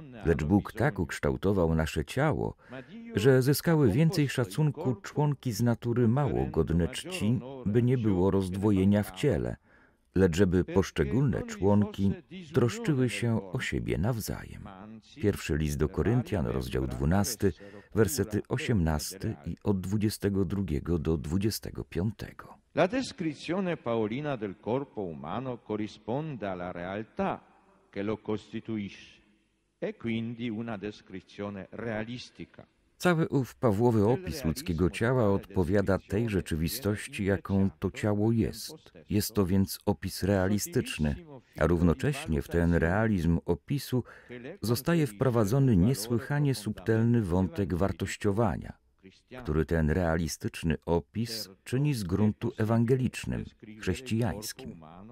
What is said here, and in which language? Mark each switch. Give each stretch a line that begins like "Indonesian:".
Polish: Lecz Bóg tak ukształtował nasze ciało, że zyskały więcej szacunku członki z natury mało godne czci, by nie było rozdwojenia w ciele, lecz żeby poszczególne członki troszczyły się o siebie nawzajem. Pierwszy list do Koryntian, rozdział 12, wersety 18 i od 22 do 25.
Italian: La descrizione paolina del corpo umano corrisponde alla realtà che lo costituisce. E quindi una descrizione realistica.
Polish: Cały ów Pawłowy opis ludzkiego ciała odpowiada tej rzeczywistości, jaką to ciało jest. Jest to więc opis realistyczny, a równocześnie w ten realizm opisu zostaje wprowadzony niesłychanie subtelny wątek wartościowania, który ten realistyczny opis czyni z gruntu ewangelicznym, chrześcijańskim.